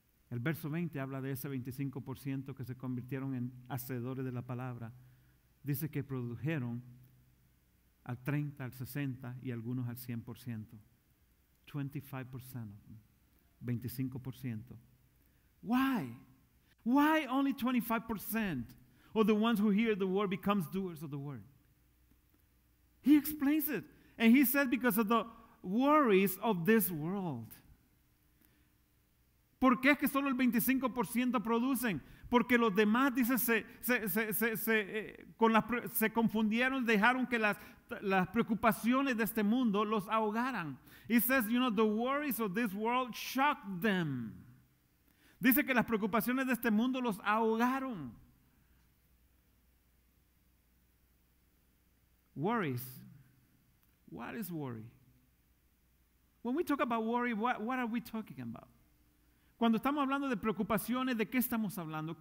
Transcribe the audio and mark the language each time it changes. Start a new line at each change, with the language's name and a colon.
Spanish: El verso 20 habla de ese 25% que se convirtieron en hacedores de la palabra. Dice que produjeron al 30, al 60 y algunos al 100%.
English: 25% of them. 25%. Why? Why only 25% of the ones who hear the word becomes doers of the word? He explains it. And he said because of the worries of this world.
Spanish: ¿Por qué es que solo el 25% producen? Porque los demás, dice, se confundieron, dejaron que las preocupaciones de este mundo los ahogaran.
English: He says, you know, the worries of this world shocked them.
Spanish: Dice que las preocupaciones de este mundo los ahogaron.
English: Worries. What is worry? When we talk about worry, what are we talking about?
Spanish: Cuando estamos hablando de preocupaciones, ¿de qué estamos hablando?